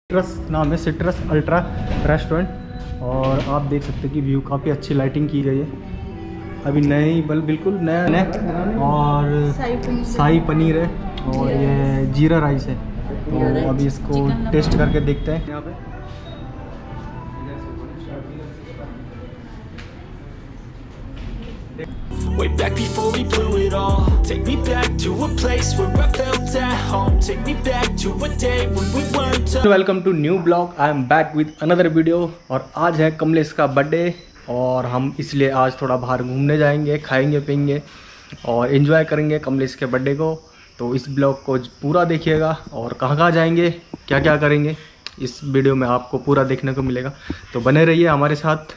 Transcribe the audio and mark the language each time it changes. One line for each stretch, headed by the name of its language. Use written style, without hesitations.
Hindi: Citrus नाम है, citrus ultra restaurant. और आप देख सकते हैं कि व्यू काफ़ी अच्छी, लाइटिंग की गई है अभी नई, बल बिल्कुल नया नया। और शाही पनीर है और ये जीरा राइस है, तो अभी इसको टेस्ट करके देखते हैं। यहाँ पे
English: Way back before we blew it all. Take me back to a place where I felt at home. Take me back to a day when we weren't alone. Welcome to new blog. I am back with another video.
Hindi: और आज है कमलेश का birthday और हम इसलिए आज थोड़ा बाहर घूमने जाएंगे, खाएंगे पियेंगे और इन्जॉय करेंगे कमलेश के बर्थडे को। तो इस ब्लॉग को पूरा देखिएगा और कहाँ कहाँ जाएंगे, क्या क्या करेंगे, इस वीडियो में आपको पूरा देखने को मिलेगा। तो बने रहिए हमारे साथ।